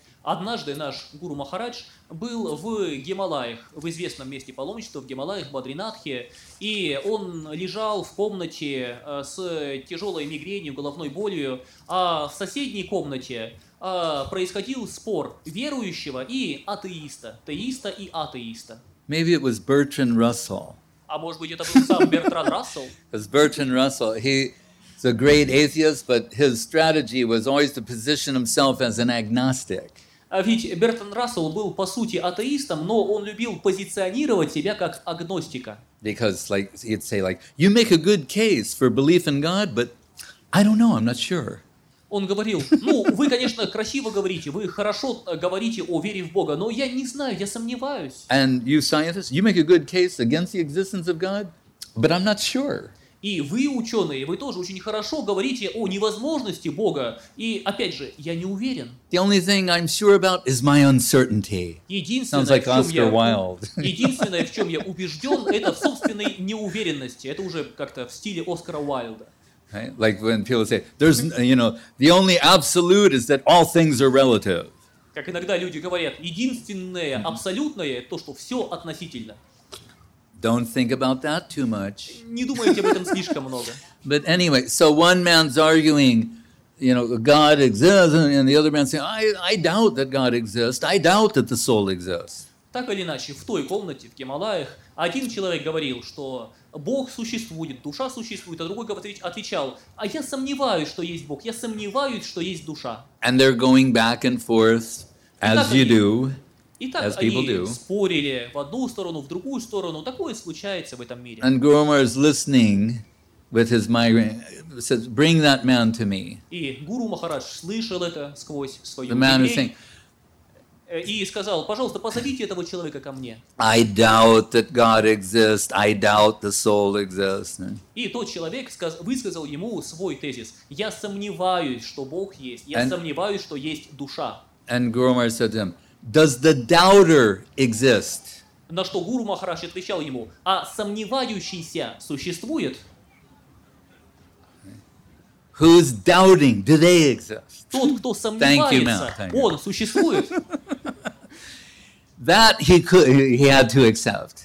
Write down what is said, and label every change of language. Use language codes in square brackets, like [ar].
[ru] Однажды наш Гуру Махарадж был в Гималаях, в известном месте паломничества, в Гималаях, Бадринатхе, и он лежал в комнате с тяжелой мигренью, головной болью, а в соседней комнате происходил спор верующего и атеиста, теиста и атеиста. [en] Maybe it was Bertrand Russell. [ru] А может быть, это был сам Бертран Рассел? [en] Because Bertrand Russell, he's a great atheist, but his strategy was always to position himself as an agnostic. [ru] Ведь Бертон Рассел был по сути атеистом, но он любил позиционировать себя как агностика. [en] Because like he'd say like you make a good case for belief in God, but I don't know, I'm not sure. [ru] Он говорил: "Ну, вы, конечно, красиво говорите, вы хорошо говорите о вере в Бога, но я не знаю, я сомневаюсь". [en] And you scientists, you make a good case against the existence of God, but I'm not sure. [ru] И вы, ученые, вы тоже очень хорошо говорите о невозможности Бога. И, опять же, я не уверен. [en] The only thing I'm sure about is my uncertainty. Sounds like Oscar Wilde. [ru] Единственное, в чем я убежден, это в собственной неуверенности. Это уже как-то в стиле Оскара Уайлда. [en] Right? Like when people say, there's, you know, the only absolute is that all things are relative. [ru] Как иногда люди говорят, единственное абсолютное то, что все относительно. [en] Don't think about that too much. [ru] Не думайте об этом слишком много. [en] But anyway, so one man's arguing, you know, God exists, and the other man's saying, I doubt that God exists. I doubt that the soul exists. [ru] Так или иначе, в той комнате в Гималаях один человек говорил, что Бог существует, душа существует, а другой отвечал, а я сомневаюсь, что есть Бог, я сомневаюсь, что есть душа. [en] And they're going back and forth, as you do. [ru] Итак, [en] as people [ru] они [en] do. [ru] Спорили в одну сторону, в другую сторону. Такое случается в этом мире. [en] And Guru Maharaj is listening with his migraine. Says, "Bring that man to me." [ru] И Гуру Махарадж слышал это сквозь свою [en] The man was saying, [ru] и сказал, пожалуйста, позовите этого человека ко мне. [en] I doubt that God exists. I doubt the soul exists. [ru] И тот человек высказал ему свой тезис. Я сомневаюсь, что Бог есть. Я сомневаюсь, что есть душа. [en] And Guru Maharaj said to him, Does the doubter exist? [ru] На что Гуру Махарадж отвечал ему, а сомневающийся существует? [en] Who's doubting? Do they exist? [ru] Тот, кто сомневается, [en] Thank you, ma'am. [ru] Он существует? [en] That he had to accept.